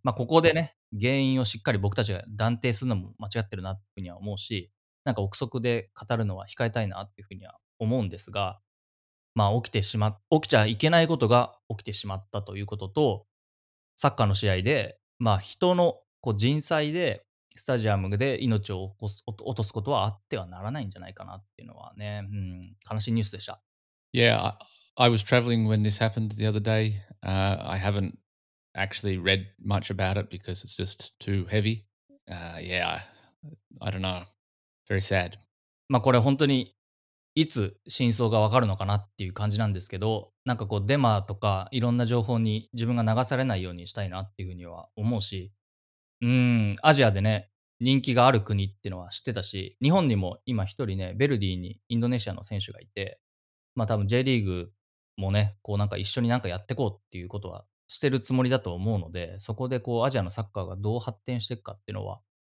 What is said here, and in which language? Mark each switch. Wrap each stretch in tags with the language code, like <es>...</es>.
<ja>まあここでね原因をしっかり僕たちが断定するのも間違ってるなっていうふうには思うし、なんか憶測で語るのは控えたいなっていうふうには思うんですが、まあ起きちゃいけないことが起きてしまったということと、サッカーの試合で、まあ人のこう人災でスタジアムで命を落とすことはあってはならないんじゃないかなっていうのはね、うん、悲しいニュースでした。</ja> <en>Yeah, I was traveling when this happened the other day. I haven'tactually read much about it because it's just too heavy. Yeah, I don't know. Very sad.</en> <ja>まあこれ本当にいつ真相がわかるのかなっていう感じなんですけど、なんかこうデマとかいろんな情報に自分が流されないようにしたいなっていうふうには思うし、アジアでね人気がある国っていうのは知ってたし、日本にも今一人ねベルディにインドネシアの選手がいて、まあ多分 J リーグもねこうなんか一緒になんかやってこうっていうことはしてるつもりだと思うので、そこでこうアジアのサッカーがどう発展していくかっていうのは、</ja>